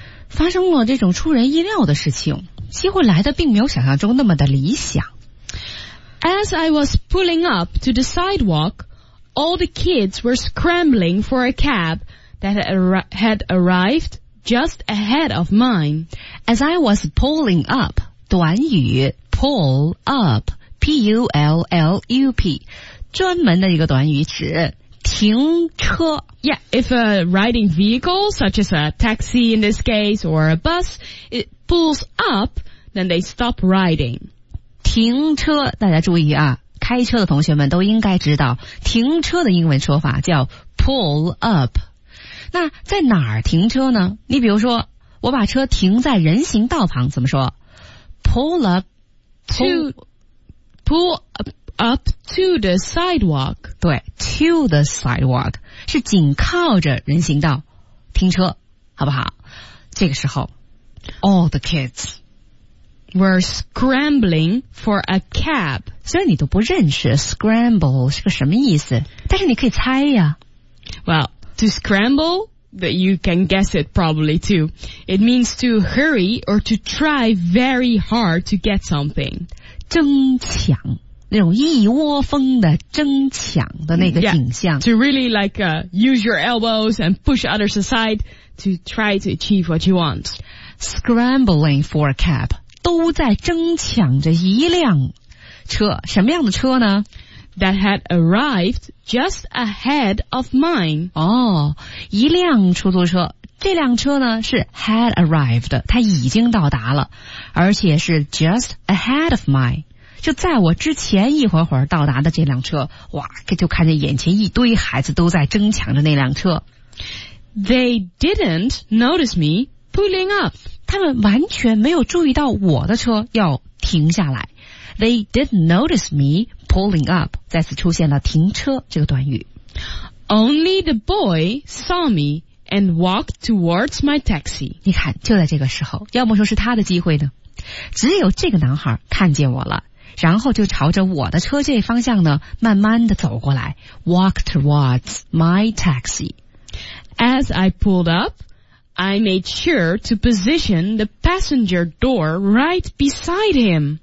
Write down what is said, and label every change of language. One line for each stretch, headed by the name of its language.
Chinese: 发生了这种出人意料的事情，机会来的并没有想象中那么的理想。
English: As I was pulling up to the sidewalk, all the kids were scrambling for a cab that had arrived just ahead of mine. As I was pulling up,
Chinese: 短语
English: pull up, P-U-L-L-U-P,
Chinese: 专门的一个短语指停车。
English: Yeah, if a riding vehicle, such as a taxi in this case, or a bus, it pulls up, then they stop riding.
Chinese: 停车，大家注意啊，开车的同学们都应该知道，停车的英文说法叫
English: pull up。
Chinese: 那在哪儿停车呢？你比如说我把车停在人行道旁怎么说？
English: pull up to pull up to the sidewalk。
Chinese: 对，
English: to the sidewalk
Chinese: 是紧靠着人行道停车，好不好？这个时候
English: all the kids Were scrambling for a cab.
Chinese: 虽然你都不认识 scramble 是个什么意思，但是你可以猜呀。
English: Well, to scramble, but you can guess it probably too. It means to hurry or to try very hard to get something.
Chinese: 争抢，那种一窝蜂的争抢的那个景象。
English: Yeah, to really like, use your elbows and push others aside to try to achieve what you want. Scrambling for a cab.
Chinese: 都在争抢着一辆车，什么样的车呢？
English: That had arrived just ahead of mine.
Chinese: 哦，一辆出租车，这辆车呢是
English: had arrived,
Chinese: 它已经到达了，而且是
English: just ahead of mine,
Chinese: 就在我之前一会会儿到达的这辆车。哇，就看见眼前一堆孩子都在争抢着那辆车。
English: They didn't notice me pulling up.
Chinese: 他们完全没有注意到我的车要停下来。
English: They didn't notice me pulling up.
Chinese: 再次出现了停车这个短语。
English: Only the boy saw me and walked towards my taxi.
Chinese: 你看，就在这个时候，要么说是他的机会呢。只有这个男孩看见我了，然后就朝着我的车这方向呢，慢慢的走过来 ,
English: walk towards my taxi. As I pulled up,I made sure to position the passenger door right beside him.